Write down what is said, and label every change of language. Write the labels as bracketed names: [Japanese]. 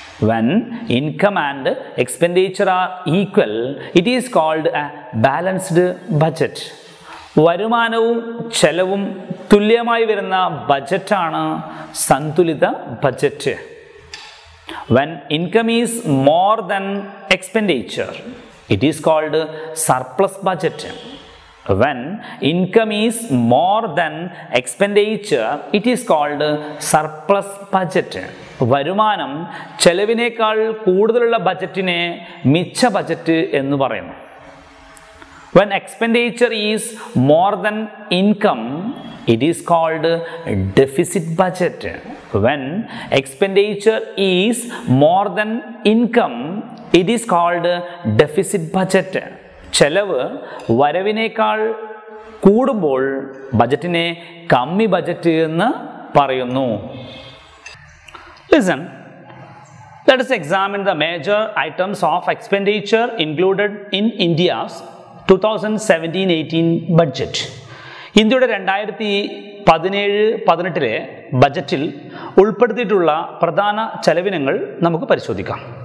[English] When income and expenditure are equal, it is called a balanced budget. [Malayalam] വരുമാനവും ചെലവും തുല്യമായി വരുന്ന ബജറ്റാണ് സന്തുലിത budget. [English] When income is more than expenditure, it is called surplus budget. When income is more than expenditure, it is called surplus budget. [Malayalam] വരുമാനം ചെലവിനേക്കാൾ കൂടുതലുള്ള ബജറ്റിനെ മിച്ച budget എന്ന് പറയുന്നു. [English] When expenditure is more than income, it is called deficit budget. When expenditure is more than income, it is called deficit budget. [Malayalam] ചെലവ് വരവിനേക്കാൾ കൂടുമ്പോൾ ബജറ്റിനെ കമ്മി budget എന്ന് പറയുന്നു. [English] Listen, let us examine the major items of expenditure included in India's 2017-18 budget. [Malayalam] ഇന്ത്യയുടെ 2017-18 ബജറ്റിൽ ഉൾപ്പെടുത്തിയിട്ടുള്ള പ്രധാന ചെലവിനങ്ങൾ നമുക്ക് പരിശോധിക്കാം.